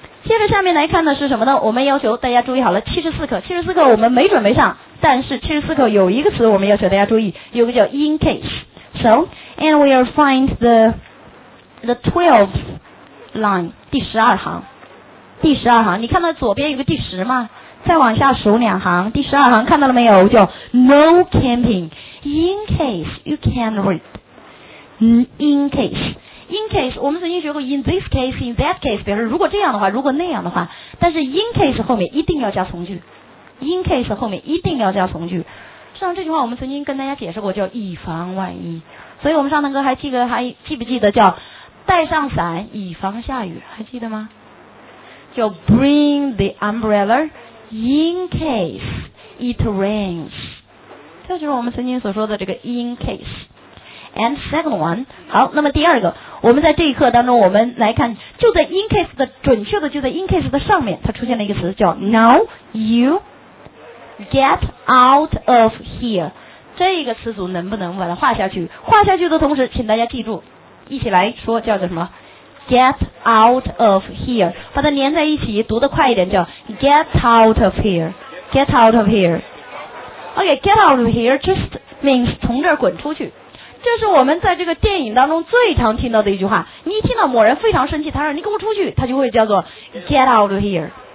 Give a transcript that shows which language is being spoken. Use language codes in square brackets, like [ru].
[zh] 接着下面来看的是什么呢？我们要求大家注意好了，74课我们没准备上，但是74课有一个词我们要求大家注意，有个叫 in case. [en] So, and we will find the 12th line, 第十二行，你看到左边有个第十吗？ [zh] 再往下数两行，第十二行看到了没有？ [en] 叫 no camping, in case you can't read. [zh] In case, 我们曾经学过 in this case, in that case, 表示如果这样的话，如果那样的话，但是 in case 后面一定要加从句。 In case 后面一定要加从句。实际上这句话我们曾经跟大家解释过，叫以防万一。所以我们上堂课还记不记得叫带上伞以防下雨，还记得吗？ [en] 叫 bring the umbrella in case it rains。 [zh] 这就是我们曾经所说的这个 in case。 And second one, 好，那么第二个，我们在这一课当中，我们来看，就在 in case 的准确的，就在 in case 的上面，它出现了一个词叫 Now you get out of here. 这个词组能不能把它画下去？画下去的同时，请大家记住，一起来说叫做什么 ？ Get out of here. 把它连在一起，读得快一点，叫 Get out of here. [en] Get out of here. OK, get out of here just means 从这儿滚出去。 [zh] 这是我们在这个电影当中最常听到的一句话，你一听到某人非常生气，他说你给我出去，他就会叫做 get out of here。